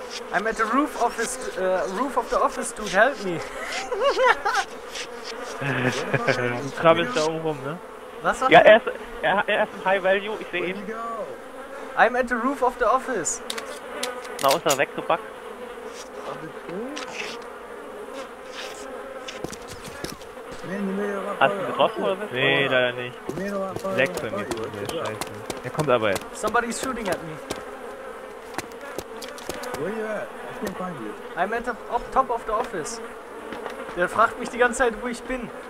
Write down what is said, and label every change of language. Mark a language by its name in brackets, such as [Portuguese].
[English] I'm at the roof of his roof of the office, dude, help me. [German] Du krabbelst da oben rum, ne? Was war das? Ja, er ist im High Value, ich seh ihn. [English] I'm at the roof of the office. [German] Na, ist er weggepackt. Hast du ihn getroffen oder was? Nee, leider nicht. Leck für mich, oh, der Scheiße. Er kommt aber jetzt. [English] Somebody's shooting at me. Where you at? I can't find you. I'm at the top of the office. [German] Der fragt mich die ganze Zeit, wo ich bin.